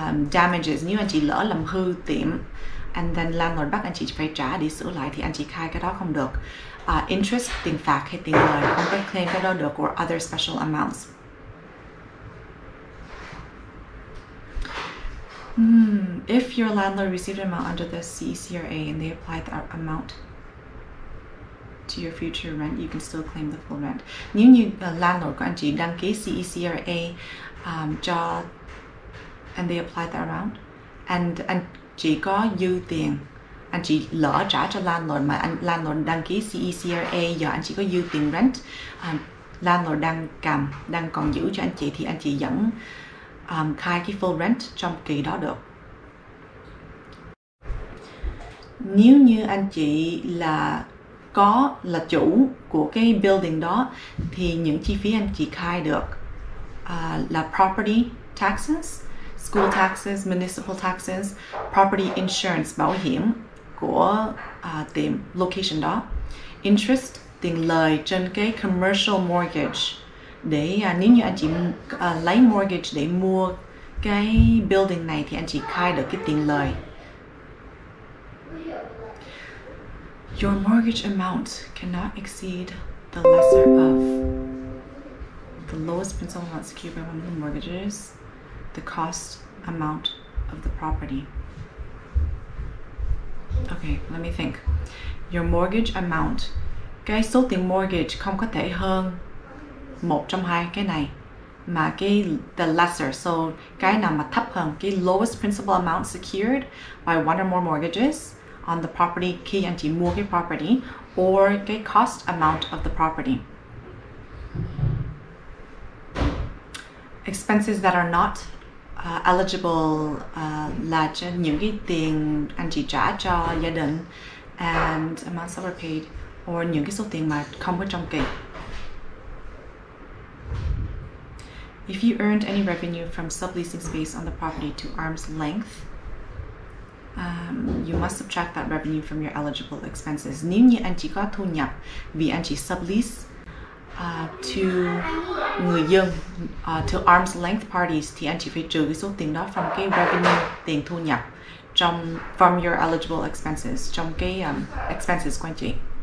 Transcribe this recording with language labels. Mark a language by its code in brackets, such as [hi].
[vi] Damages, nếu anh chị lỡ làm hư tiệm [en] and then landlord [vi] bắt anh chị phải trả đi sửa lại thì anh chị khai cái đó không được. Interest, tiền phạt hay tiền lời không có claim cái đó được [en] or other special amounts. If your landlord received an amount under the CERA and they applied that amount to your future rent, you can still claim the full rent. [vi] Nếu như landlord của anh chị đăng ký CERA cho [en] and they applied that amount [vi] and anh chị có dư tiền, anh chị lỡ trả cho landlord mà anh landlord đăng ký CERA do anh chị có dư tiền rent, landlord đang còn giữ cho anh chị thì anh chị vẫn khai cái full rent trong kỳ đó được. Nếu như anh chị là chủ của cái building đó thì những chi phí anh chị khai được là [en] property taxes, school taxes, municipal taxes, property insurance, [vi] bảo hiểm của tiệm location đó, interest, tiền lời trên cái commercial mortgage. Để nếu như anh chị lấy mortgage để mua cái building này thì anh chị khai được cái tiền lời. [en] Your mortgage amount cannot exceed the lesser of the lowest principal amount secured by one of the mortgages, the cost amount of the property. Okay, let me think. Your mortgage amount, [vi] cái số tiền mortgage không có thể hơn một trong hai cái này, mà cái the lesser, so cái nào mà thấp hơn cái [en] lowest principal amount secured by one or more mortgages on the property [vi] khi anh chị mua cái property or cái [en] cost amount of the property. Expenses that are not eligible [vi] là những cái tiền anh chị trả cho gia đình [en] and amounts that were paid or [vi] những cái số tiền mà không có trong kỳ. [en] If you earned any revenue from subleasing space on the property to arm's length, you must subtract that revenue from your eligible expenses. [vi] Nếu như anh chị có thu nhập vì anh chị sublease to người dân, to arm's length parties, thì anh chị phải trừ cái số tiền đó from cái revenue, tiền thu nhập trong, [en] from your eligible expenses, [vi] trong cái expenses của anh chị.